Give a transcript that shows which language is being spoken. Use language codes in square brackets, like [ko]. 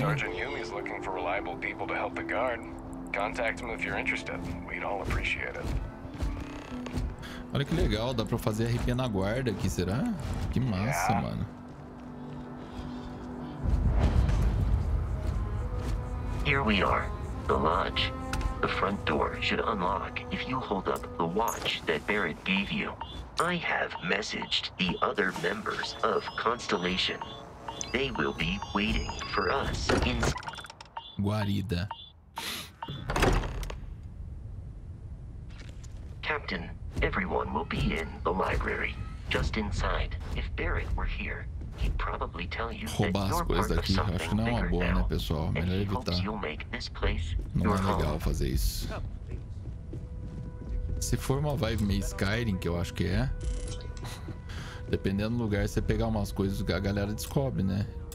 [en] Sargent Yumi's looking for reliable people to help the guard. Contact him if you're interested. We'd all appreciate it. [pt] Olha que legal, dá pra fazer RP na guarda aqui, será? Que massa, yeah. Mano. [en] Here we are, the lodge. The front door should unlock if you hold up the watch that Barrett gave you. I have messaged the other members of Constellation. They will be waiting for us in Guarida. Captain, everyone will be in the library, just inside. If Barrett were here, he'd probably tell you [pt] roubar as coisas daqui, acho que não é uma boa, né, pessoal? Melhor evitar. Não é legal fazer isso. Se for uma vibe meio Skyrim, que eu acho que é, dependendo do lugar, você pegar umas coisas que a galera descobre, né?